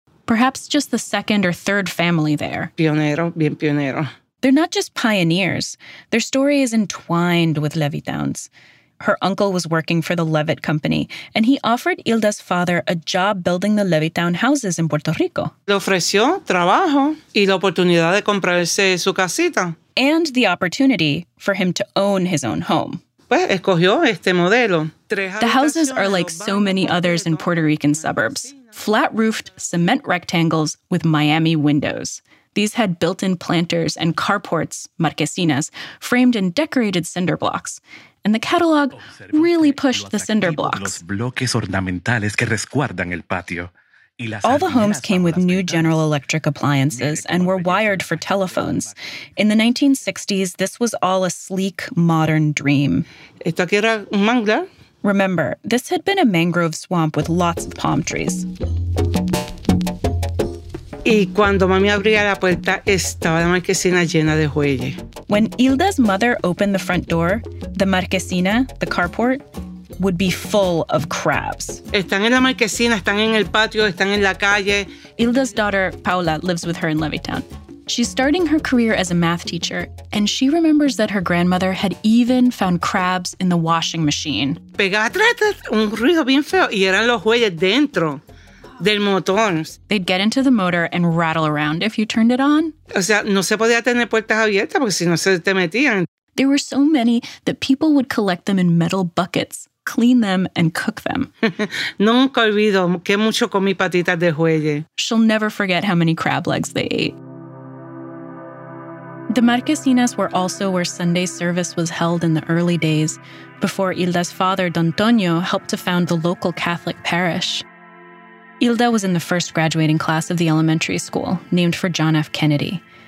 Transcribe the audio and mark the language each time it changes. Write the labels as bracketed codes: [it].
[en] Perhaps just the second or third family there. [es] Pionero, bien pionero. [en] They're not just pioneers. Their story is entwined with Levittown's. Her uncle was working for the Levitt Company, and he offered Hilda's father a job building the Levittown houses in Puerto Rico. [es] Le ofreció trabajo y la oportunidad de comprarse su casita. [en] And the opportunity for him to own his own home. [es] Pues, escogió este modelo. [en] The houses are like so many others in Puerto Rican suburbs. Flat-roofed cement rectangles with Miami windows. These had built-in planters and carports, marquesinas, framed in decorated cinder blocks. And the catalog really pushed the cinder blocks. [es] Los bloques ornamentales que resguardan el patio. [en] All the homes came with new General Electric appliances and were wired for telephones. In the 1960s, this was all a sleek, modern dream. [es] Esto aquí era un manglar. [en] Remember, this had been a mangrove swamp with lots of palm trees. [es] Y cuando mami abría la puerta, estaba la marquesina llena de joyas. [en] When Hilda's mother opened the front door, the marquesina, the carport, would be full of crabs. [es] Están en la marquesina, están en el patio, están en la calle. [en] Hilda's daughter, Paula, lives with her in Levittown. She's starting her career as a math teacher, and she remembers that her grandmother had even found crabs in the washing machine. [es] Pegaba un ruido bien feo y eran los jueyes dentro del motor. [en] They'd get into the motor and rattle around if you turned it on. [es] O sea, no se podía tener puertas abiertas porque si no se te metían. [en] There were so many that people would collect them in metal buckets, clean them, and cook them. [es] Nunca olvido que mucho comí patitas de jueyes. [en] She'll never forget how many crab legs they ate. The marquesinas were also where Sunday service was held in the early days, before Hilda's father, Don Antonio, helped to found the local Catholic parish. Hilda was in the first graduating class of the elementary school, named for John F. Kennedy.